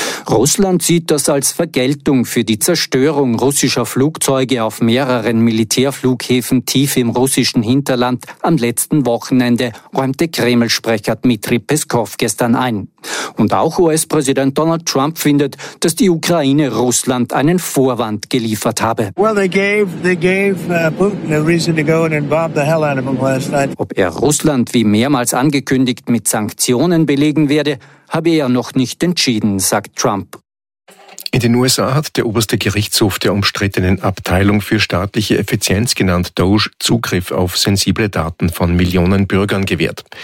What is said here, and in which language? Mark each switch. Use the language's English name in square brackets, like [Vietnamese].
[German] Russland sieht das als Vergeltung für die Zerstörung russischer Flugzeuge auf mehreren Militärflughäfen tief im russischen Hinterland am letzten Wochenende, räumte Kreml-Sprecher Dmitri Peskow gestern ein. Und auch US-Präsident Donald Trump findet, dass die Ukraine Russland einen Vorwand geliefert habe. [English] Well, they gave Putin a reason to go and bomb the hell out of him last night. [German] Ob er Russland, wie mehrmals angekündigt, mit Sanktionen belegen werde, habe er noch nicht entschieden, sagt Trump. In den USA hat der oberste Gerichtshof der umstrittenen Abteilung für staatliche Effizienz, genannt DOGE, Zugriff auf sensible Daten von Millionen Bürgern gewährt.